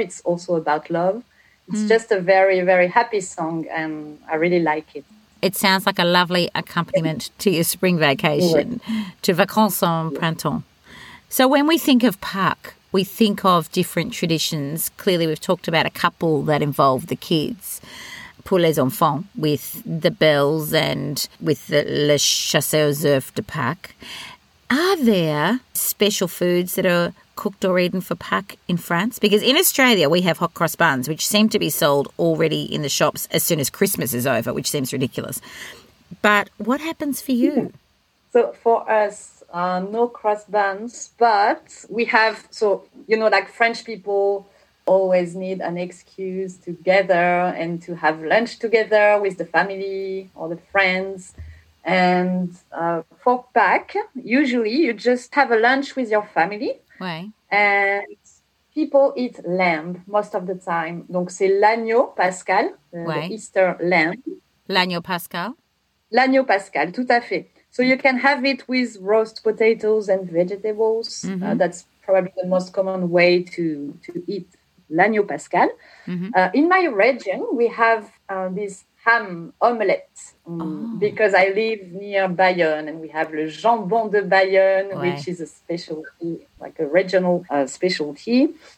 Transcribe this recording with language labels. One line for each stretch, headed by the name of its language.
English: It's also about love. It's just a very, very happy song and I really like it. It sounds like a lovely accompaniment to your spring vacation, to
French: vacances en printemps.
English: So when we think of park, we think of different traditions. Clearly, we've talked about a couple that involve the kids.
French: Pour les enfants,
English: with the bells and with the
French: les chasseurs œufs de Pâques.
English: Are there special foods that are cooked or eaten for Pâques in France? Because in Australia, we have hot cross buns, which seem to be sold already in the shops as soon as Christmas is over, which seems ridiculous. But what happens for you? So for us, no cross buns, but we have, so, you know, like French people always need an excuse to gather and to have lunch together with the family or the friends. And for Pâques, usually you just have a lunch with your family. Right. And people eat lamb most of the time.
French: Donc c'est l'agneau pascal,
English: the Easter lamb.
French: L'agneau pascal? L'agneau pascal, tout à fait.
English: So you can have it with roast potatoes and vegetables. Mm-hmm. That's probably the most common way to eat l'agneau pascal. Mm-hmm. In my region, we have this ham omelette because I live near Bayonne and we have
French: le jambon de Bayonne,
English: which is a specialty, like a regional specialty.